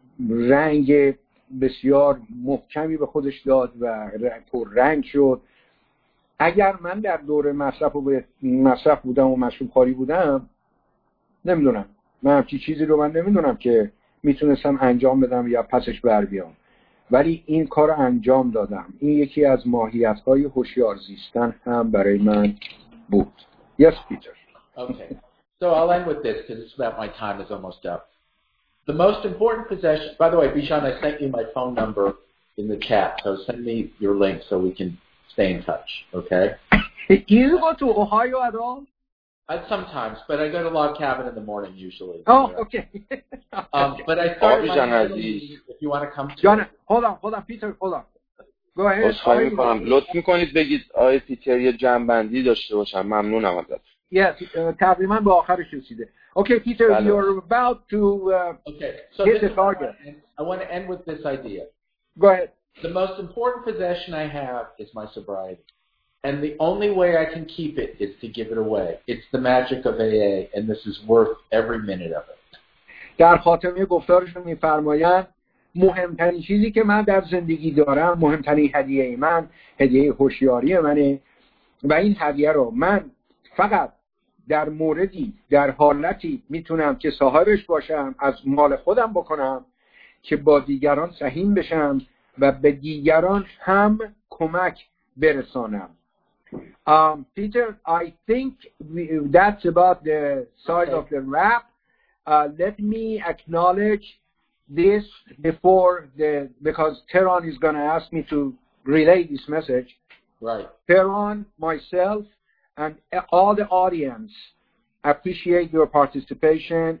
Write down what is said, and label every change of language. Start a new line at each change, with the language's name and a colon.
Persian: رنگ بسیار محکمی به خودش داد و پر رنگ شد اگر من در دوره مصرف بودم و مشروب خواری بودم نمیدونم من همچی چیزی رو من نمیدونم که میتونستم انجام بدم یا پسش بر بیام ولی این کار رو انجام دادم این یکی از ماهیت‌های هوشیار زیستن هم برای من بود
English: Yes, Peter Okay, so I'll end with this because it's about my time is almost up The most important possession By the way, Bijan, I sent you my phone number in the chat so send me your link so we can Stay in touch, okay? Do you go to Ohio at all? Sometimes, but I go to Log Cabin in the morning usually. Oh, there. Okay. but I start my daily, if you want to come to John, hold on, Peter, hold on. Go ahead.
Persian: خواهی میکنم. لطف میکنید بگید آقای پیتر یه جمع‌بندی داشته باشم. ممنونم ازت. Yes, تقریبا به آخرش رسیده.
English: Okay, Peter, بله. You're about to hit the target. I want to end with this idea. Go ahead. The most important possession I have is my sobriety. And the only way I can keep it is to give it away. It's the magic of AA, and this is worth every minute of it.
Persian: در خاتمه گفتارشون می‌فرمایند مهمترین چیزی که من در زندگی دارم، مهمترین هدیه من، هدیه هوشیاری منه و این هدیه رو من فقط در موردی، در حالتی میتونم که صاحبش باشم، از مال خودم بکنم که با دیگران سهیم بشم و به دیگران هم کمک برسانم
English: Peter, I think that's about the size of the wrap. Let me acknowledge this before the, because Teron is going to ask me to relay this message. Right. Teron, myself, and all the audience appreciate your participation.